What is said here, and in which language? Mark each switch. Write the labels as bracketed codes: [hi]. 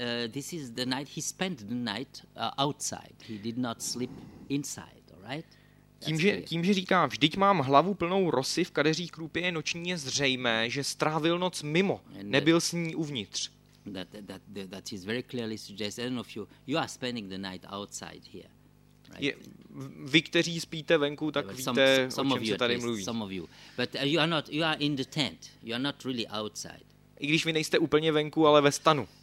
[en] This is the night he spent the night outside. He did not sleep inside, all right? [cs] Tím, že říká, vždyť mám hlavu plnou rosy, v kadeří krůpě je noční, je zřejmé, že strávil noc mimo, nebyl s ní uvnitř. [en] That is very clearly suggested. I don't know if you are spending the night outside here. Right. [cs] Vy, kteří spíte venku, tak víte, [en] some [cs] o čem se tady mluví. [en] Some of you. But you are not, you are in the tent. You are not really outside. [cs] I když vy nejste úplně venku, ale ve stanu.